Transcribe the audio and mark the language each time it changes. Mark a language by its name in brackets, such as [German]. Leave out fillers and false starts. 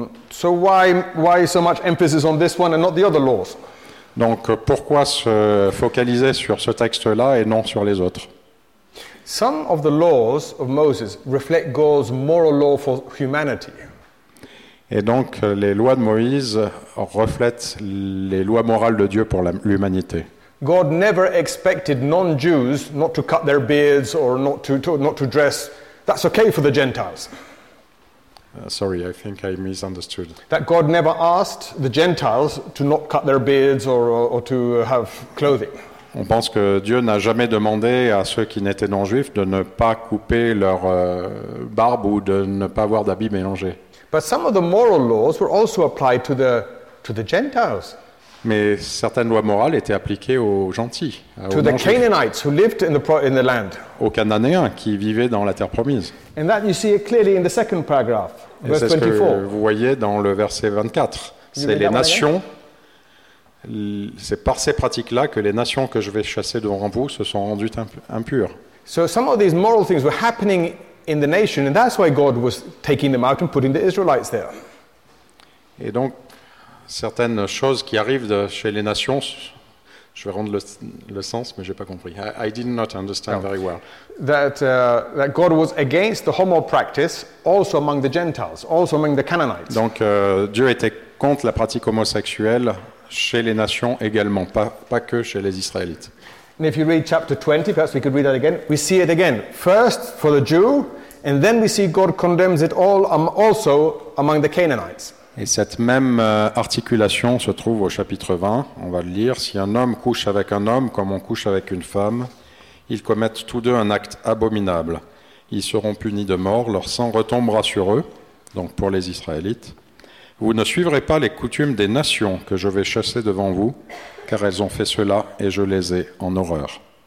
[English] So why so much emphasis on this one and not the other laws? [French] Donc, pourquoi se focaliser sur ce texte-là et non sur les autres? [English] Some of the laws of Moses reflect God's moral law for humanity. [French] Et donc, les lois de Moïse reflètent les lois morales de Dieu pour l'humanité. [English] God never expected non-Jews not to cut their beards or not to dress. That's okay for the Gentiles. Sorry, I think I misunderstood. That God never asked the Gentiles to not cut their beards or to have clothing. [French] On pense que Dieu n'a jamais demandé à ceux qui n'étaient non juifs de ne pas couper leur barbe ou de ne pas avoir d'habits mélangés. [English] But some of the moral laws were also applied to the Gentiles. [French] Mais certaines lois morales étaient appliquées aux gentils. [English] To the Canaanites who lived in the land. [French] Aux Cananéens qui vivaient dans la terre promise. [English] And that you see it clearly in the second paragraph, verse 24. [French] Et c'est ce que vous voyez dans le verset 24. C'est les nations. C'est par ces pratiques-là que les nations que je vais chasser devant vous se sont rendues impures. [English] So some of these moral things were happening in the nation, and that's why God was taking them out and putting the Israelites there. [French] Et donc, certaines choses qui arrivent chez les nations Je vais rendre le sens, mais je n'ai pas compris. [English] I did not understand very well. That God was against the homo practice also among the Gentiles, also among the Canaanites. [French] Donc Dieu était contre la pratique homosexuelle chez les nations également, pas que chez les Israélites. [English] And if you read chapter 20, perhaps we could read that again. We see it again. First for the Jew, and then we see God condemns it all also among the Canaanites. [French] Et cette même articulation se trouve au chapitre 20. On va le lire. Si un homme couche avec un homme comme on couche avec une femme, ils commettent tous deux un acte abominable. Ils seront punis de mort, leur sang retombera sur eux, donc pour les Israélites. Vous ne suivrez pas les coutumes des nations que je vais chasser devant vous, car elles ont fait cela et je les ai en horreur.